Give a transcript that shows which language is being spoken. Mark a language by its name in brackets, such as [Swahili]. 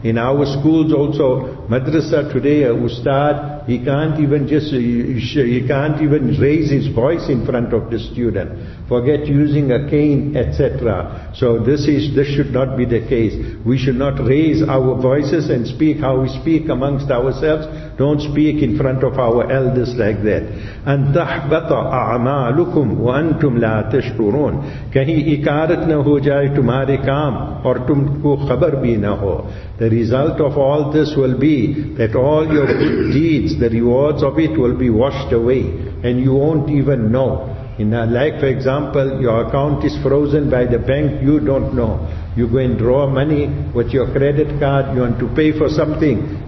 [English] In our schools also, madrasa today, a ustad, he can't even raise his voice in front of the student. Forget using a cane, etc. So this should not be the case. We should not raise our voices and speak how we speak amongst ourselves. Don't speak in front of our elders like that. [Arabic] أَن تَحْبَطَ أَعْمَالُكُمْ وَأَنْتُمْ لَا تَشْكُرُونَ [Urdu] کہیں اکارت نہ ہو جائے تمہارے کام اور تم کو خبر بھی نہ ہو. [English] The result of all this will be that all your good deeds, the rewards of it will be washed away and you won't even know. Like for example, your account is frozen by the bank, you don't know. You go and draw money with your credit card, you want to pay for something.